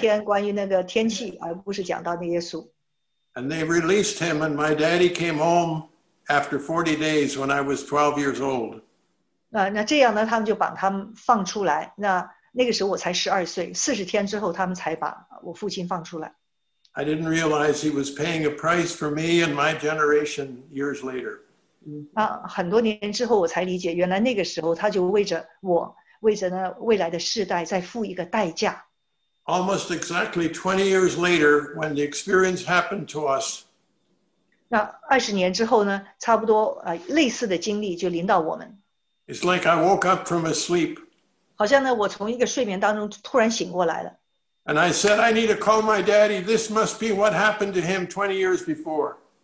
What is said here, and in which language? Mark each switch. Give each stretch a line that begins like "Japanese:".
Chinese: 所以他们就开始跟他们聊天，关于那个天气，而不是讲到那耶稣。
English: And they released him, and my daddy came home after 40 days when I was 12 years old.
Chinese: 那这样呢，他们就把他们放出来。那个时候我才12岁，40天之后他们才把我父亲放出来。
English: I didn't realize he was paying a price for me and my generation years later.
Chinese: 很多年之后我才理解，原来那个时候他就为着我。为着呢，未来的世代再付一个代价。
English: Almost exactly 20 years later, when the experience happened to us.
Chinese: 那20年之后呢，差不多类似的经历就临到我们。
English: It's like I woke up from a sleep.
Chinese: 好像呢，我从一个睡眠当中突然醒过来了。
English: And I said, I need to call my daddy. This must be what happened to him 20 years before.